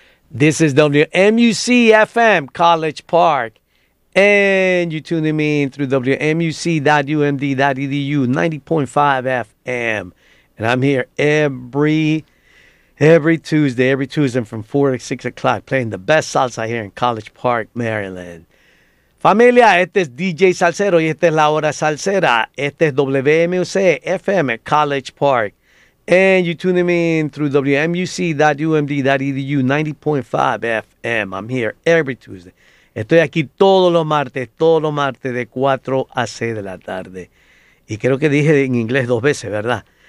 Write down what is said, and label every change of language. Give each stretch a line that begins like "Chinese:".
English: This is WMUC-FM, College Park, and you're tuning me in through WMUC.UMD.EDU, 90.5 FM, and I'm here every Tuesday from 4 to 6 o'clock, playing the best salsa here in College Park, Maryland.
Spanish: Familia, este es DJ Salsero y esta es La Hora Salsera. Este es WMUC FM at College Park.
English: And you're tuning me in through WMUC.UMD.EDU 90.5 FM. I'm here every Tuesday.
Spanish: Estoy aquí todos los martes de 4 a 6 de la tarde. Y creo que dije en inglés dos veces, ¿verdad?